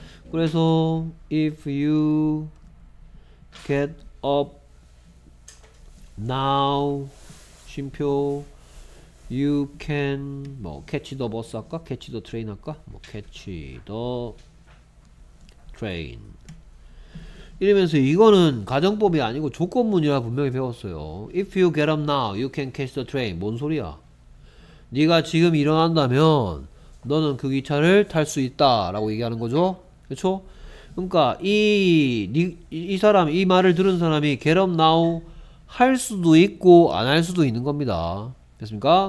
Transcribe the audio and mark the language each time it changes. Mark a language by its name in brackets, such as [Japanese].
[Korean] 그래서 [English] if you get up Now, [Korean] 쉼표, [English] you can, 뭐, catch the bus [Korean] 할까? [English] catch the train 할까? [Korean] 뭐, [English] catch the train. [Korean] 이러면서 이거는 가정법이 아니고 조건문이라 분명히 배웠어요. [English] If you get up now, you can catch the train. [Korean] 뭔 소리야? 네가 지금 일어난다면 너는 그 기차를 탈수 있다. 라고 얘기하는 거죠? 그쵸? 그러니까, 이 말을 들은 사람이 [English] get up now, [Korean] 할 수도 있고 안할 수도 있는 겁니다. 됐습니까?